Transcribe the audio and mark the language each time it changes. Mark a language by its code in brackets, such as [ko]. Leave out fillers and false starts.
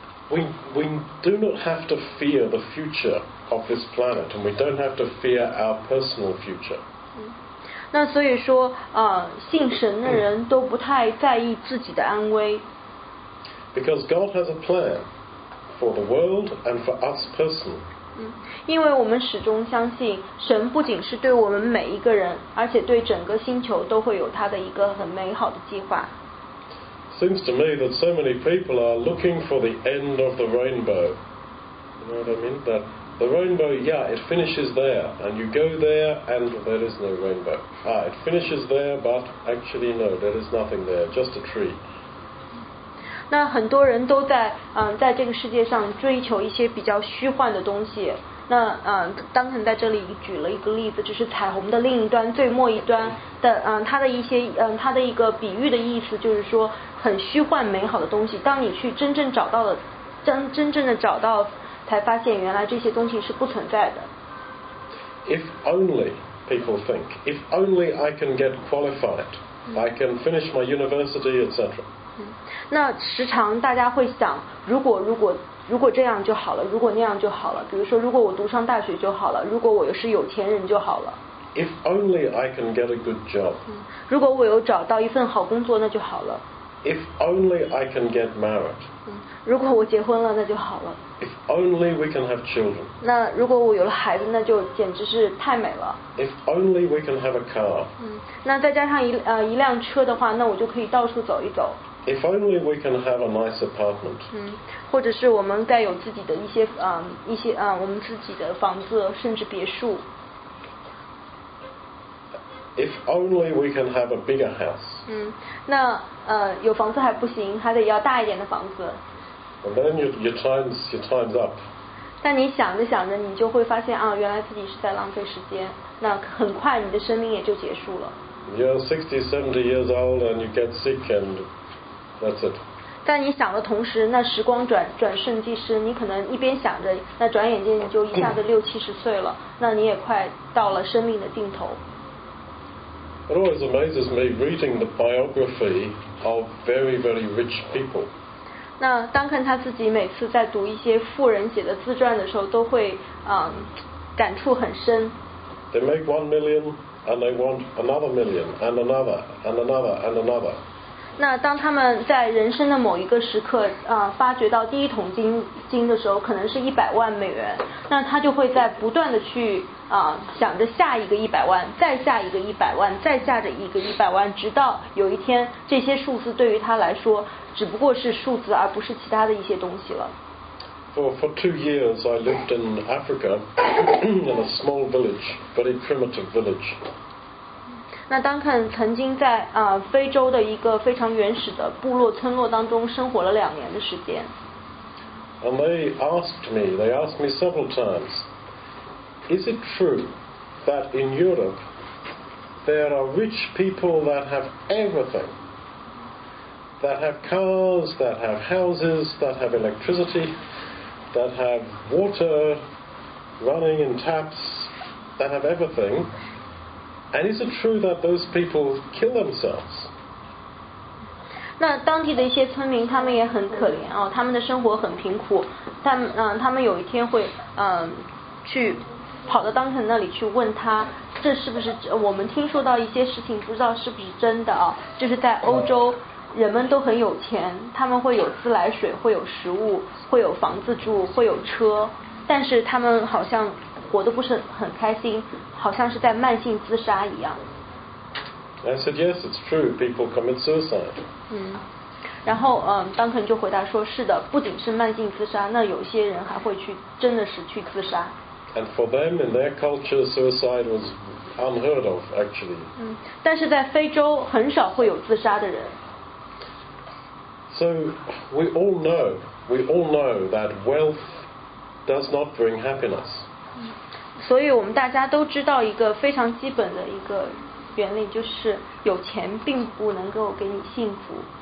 [en] We do not have to fear the future of this planet, and we don't have to fear our personal future. [zh] 那所以说，信神的人都不太在意自己的安危。 [en] Because God has a plan for the world and for us personally. [zh] 因为我们始终相信，神不仅是对我们每一个人，而且对整个星球都会有他的一个很美好的计划。 [en] Seems to me that so many people are looking for the end of the rainbow. You know what I mean? The rainbow, yeah, it finishes there, and you go there, and there is no rainbow. Ah, it finishes there, but actually, no, there is nothing there, just a tree. [zh] 那很多人都在这个世界上追求一些比较虚幻的东西。那当时在这里举了一个例子，就是彩虹的另一端，最末一端的它的一些它的一个比喻的意思，就是说很虚幻美好的东西，当你去真正的找到，才发现原来这些东西是不存在的。 [en] If only people think, if only I can get qualified, I can finish my university, etc. [zh] 那时常大家会想，如果这样就好了，如果那样就好了。比如说，如果我读上大学就好了，如果我是有钱人就好了。 [en] If only I can get a good job. [zh] 如果我有找到一份好工作，那就好了。 [en] If only I can get married. [zh] 如果我结婚了，那就好了。 [en] If only we can have children. [zh] 那如果我有了孩子，那就简直是太美了。 [en] If only we can have a car. [zh] 那再加上一辆车的话，那我就可以到处走一走。 [en] If only we can have a nice apartment. [zh] 或者是我们盖有自己的一些我们自己的房子，甚至别墅。 [en] If only we can have a bigger house. [zh] 那有房子还不行，还得要大一点的房子。 [en] And then your time's up. [zh] 但你想着想着，你就会发现啊，原来自己是在浪费时间。那很快你的生命也就结束了。 [en] You're 60, 70 years old, and you get sick, and that's it. [zh] 但你想的同时，那时光转瞬即逝，你可能一边想着，那转眼间你就一下子六七十岁了，那你也快到了生命的尽头。 [en] It always amazes me reading the biography of very, very rich people. [zh] 那当看他自己每次在读一些富人写的自传的时候，都会感触很深。 [en] They make $1 million and they want $1 million and another and another and another. [zh] 那当他们在人生的某一个时刻发掘到第一桶金的时候，可能是$1,000,000，那他就会在不断的去。想着下一个$1,000,000，再下一个$1,000,000，再下着一个$1,000,000，直到有一天，这些数字对于他来说只不过是数字，而不是其他的一些东西了。 [en] For 2 years, I lived in Africa in a small village, very primitive village. [zh] 那丹肯曾经在非洲的一个非常原始的部落村落当中生活了2年的时间。 [en] And they asked me several times. Is it true that in Europe there are rich people that have everything, that have cars, that have houses, that have electricity, that have water running in taps, that have everything? And is it true that those people kill themselves? [zh] 那当地的一些村民，他们也很可怜啊，他们的生活很贫苦，他们有一天会去。跑到当肯那里去问他，这是不是我们听说到一些事情，不知道是不是真的啊？就是在欧洲，人们都很有钱，他们会有自来水，会有食物，会有房子住，会有车，但是他们好像活得不是很开心，好像是在慢性自杀一样。 [en] I said yes, it's true. People commit suicide. [zh] 然后当肯就回答说，是的，不仅是慢性自杀，那有些人还会去真的是去自杀。 [en] And for them, in their culture, suicide was unheard of, actually. [zh] 但是在非洲很少会有自杀的人。 [en] So we all know that wealth does not bring happiness. [zh] 所以我们大家都知道一个非常基本的一个原理，就是有钱并不能够给你幸福。